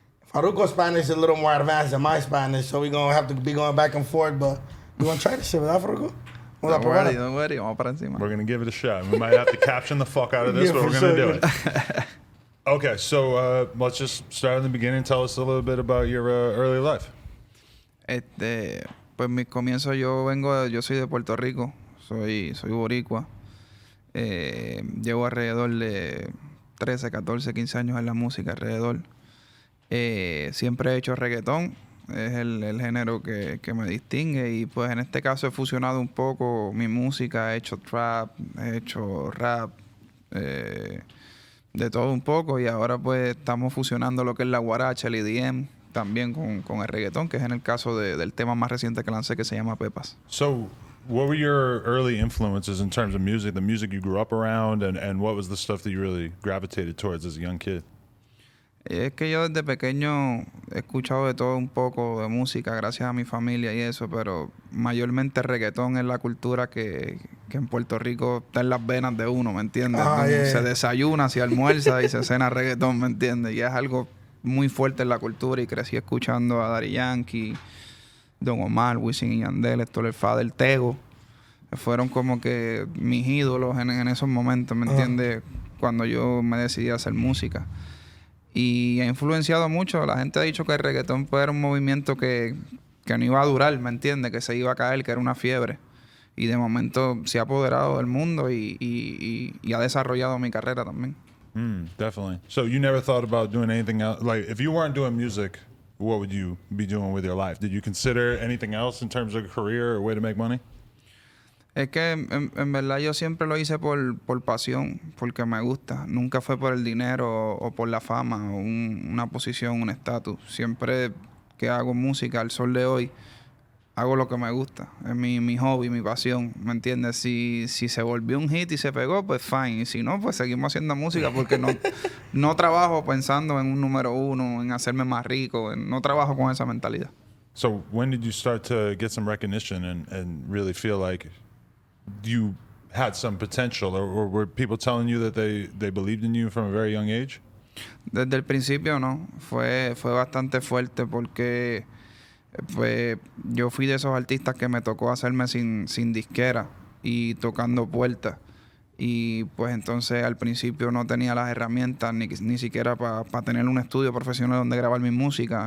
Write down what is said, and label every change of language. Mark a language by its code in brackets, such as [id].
[en] Faruco's Spanish is a little more advanced than my Spanish, so we're going to have to be going back and forth, but... You want to try this shit, [es] ¿verdad, [en] Faruco? Don't worry. [es] Vamos para encima. [en] We're going to give it a shot. We might have to caption the fuck out of this, yeah, but we're going to do it. Okay, so let's just start in the beginning. Tell us a little bit about your early life. [es] Pues mi comienzo, yo soy de Puerto Rico. Soy boricua. Llevo alrededor de 13, 14, 15 años en la música alrededor. Siempre he hecho reggaetón. Es el género que me distingue y pues en este caso he fusionado un poco mi música, he hecho trap, he hecho rap, de todo un poco y ahora pues estamos fusionando lo que es la guaracha, el EDM, también con el reggaetón, que es en el caso del tema más reciente que lancé que se llama Pepas. [en] So, what were your early influences in terms of music, the music you grew up around and what was the stuff that you really gravitated towards as a young kid? [es] Es que yo desde pequeño he escuchado de todo un poco de música, gracias a mi familia y eso, pero mayormente reggaetón es la cultura que en Puerto Rico está en las venas de uno, ¿me entiendes? Se desayuna, se almuerza y se cena reggaetón, ¿me entiendes? Y es algo muy fuerte en la cultura y crecí escuchando a Daddy Yankee, Don Omar, Wisin y Yandel, Estor el Fader, Tego. Fueron como que mis ídolos en esos momentos, ¿me entiendes? Cuando yo me decidí a hacer música. Y ha influenciado mucho. La gente ha dicho que el reggaetón puede ser un movimiento que no iba a durar, ¿me entiendes? Que se iba a caer, que era una fiebre. Y de momento se ha apoderado del mundo y ha desarrollado mi carrera también. [en] Definitely. So you never thought about doing anything else? Like, if you weren't doing music, what would you be doing with your life? Did you consider anything else in terms of a career or way to make money? [es] Es que en verdad yo siempre lo hice por pasión, porque me gusta. Nunca fue por el dinero o por la fama o una posición, un estatus. Siempre que hago música, al sol de hoy, hago lo que me gusta. Es mi hobby, mi pasión, ¿me entiendes? Si se volvió un hit y se pegó, pues fine. Y si no, pues seguimos haciendo música porque no trabajo pensando en un número uno, en hacerme más rico. No trabajo con esa mentalidad. [en] So when did you start to get some recognition and really feel like... You had some potential, or were people telling you that they believed in you from a very young age? [es] Desde el principio, no. Fue bastante fuerte porque pues, yo fui de esos artistas que me tocó hacerme sin disquera y tocando puertas. Y pues entonces al principio no tenía las herramientas ni siquiera pa tener un estudio profesional donde grabar mi música.